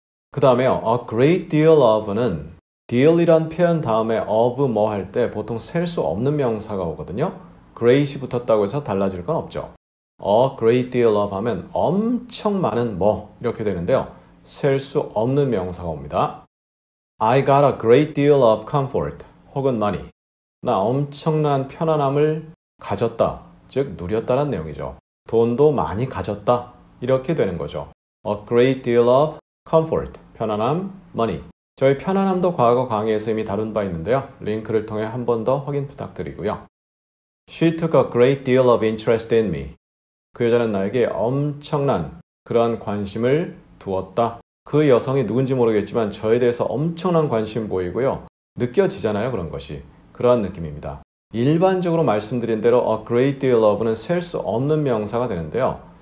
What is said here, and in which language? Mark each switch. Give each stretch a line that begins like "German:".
Korean: 그 다음에 a great deal of는 deal이란 표현 다음에 of 뭐 할 때 보통 셀 수 없는 명사가 오거든요. great이 붙었다고 해서 달라질 건 없죠. a great deal of 하면 엄청 많은 뭐 이렇게 되는데요. 셀 수 없는 명사가 옵니다.
English: I got a great deal of comfort
Korean: 혹은
English: money.
Korean: 나 엄청난 편안함을 가졌다. 즉 누렸다는 내용이죠. 돈도 많이 가졌다. 이렇게 되는 거죠.
English: A great deal of comfort,
Korean: 편안함,
English: money.
Korean: 저희 편안함도 과거 강의에서 이미 다룬 바 있는데요. 링크를 통해 한 번 더 확인 부탁드리고요.
English: She took a great deal of interest in me.
Korean: 그 여자는 나에게 엄청난 그러한 관심을 두었다. 그 여성이 누군지 모르겠지만 저에 대해서 엄청난 관심 보이고요. 느껴지잖아요, 그런 것이. 그러한 느낌입니다. 일반적으로 말씀드린 대로 a great deal of는 셀 수 없는 명사가 되는데요.